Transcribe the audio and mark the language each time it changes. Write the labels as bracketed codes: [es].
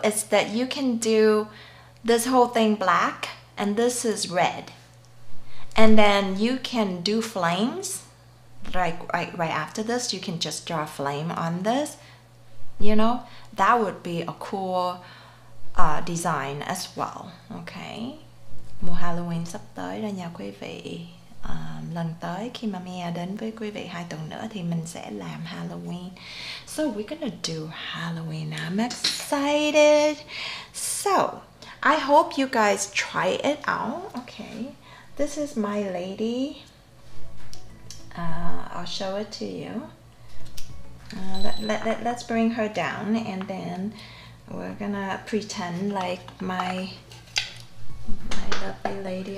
[en] Is that you can do this whole thing black and this is red. And then you can do flames. Like right after this, you can just draw a flame on this. You know, that would be a cool design as well. [vi] Okay, mùa Halloween sắp tới rồi nha quý vị. Lần tới khi mà Mia đến với quý vị 2 tuần nữa thì mình sẽ làm Halloween. [en] So we're gonna do Halloween. I'm excited. So I hope you guys try it out. Okay, this is my lady. I'll show it to you. Let's bring her down and then we're gonna pretend like my lovely lady.